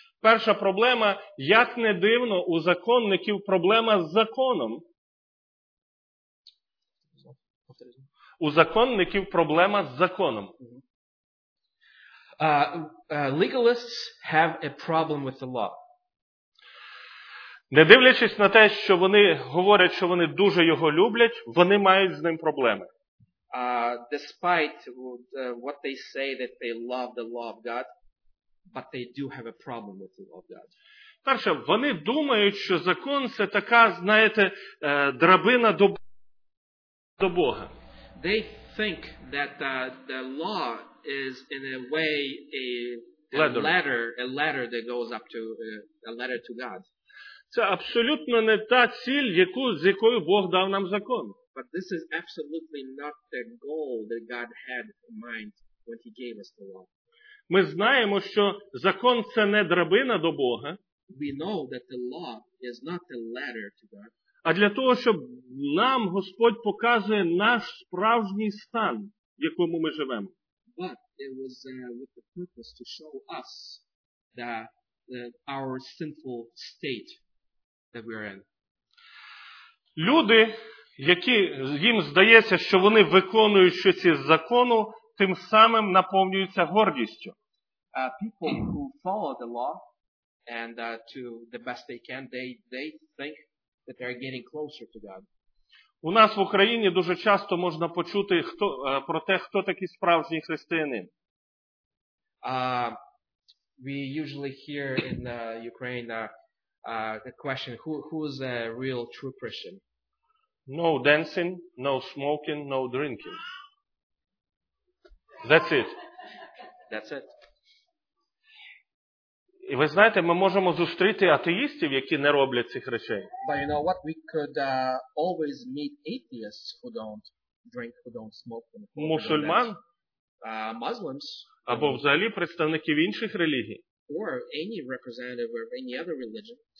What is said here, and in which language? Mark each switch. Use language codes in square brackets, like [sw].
[uk] Перша проблема, як не дивно, у законників проблема з законом. У законників проблема з законом. [en] Legalists have a problem with the law. [uk] Не дивлячись на те, що вони говорять, що вони дуже його люблять, вони мають з ним проблеми. [en] Despite what they say that they love the law of God, but they do have a problem with the law of God. [uk] Перше, вони думають, що закон це така, знаєте, драбина до Бога. [en] They think that the law is in a way a ladder that goes up to a ladder to God. [uk] Це абсолютно не та ціль, з якою Бог дав нам закон. [en] But this is absolutely not the goal that God had in mind when he gave us the law. [uk] Ми знаємо, що закон це не драбина до Бога. [en] We know that the law is not the ladder to God. [uk] А для того, щоб нам Господь показує наш справжній стан, в якому ми живемо. [en] But it was with the purpose to show us that our sinful state that we're in. [uk] Люди, які їм здається, що вони виконують щось із закону, тим самим наповнюються гордістю. [en] People who follow the law and to the best they can, they think that they're getting closer to God. [uk] У нас в Україні дуже часто можна почути хто такий справжній християнин. [en] We usually hear in Ukraine the question who is a real true Christian? No dancing, no smoking, no drinking. That's it. That's it. [uk] І ви знаєте, ми можемо зустріти атеїстів, які не роблять цих речей. [en] But you know what? We could always meet atheists who don't drink, who don't smoke. [uk] Мусульман? [en] Muslims, [uk] або взагалі представників інших релігій. [en] Or any representative of any other religion.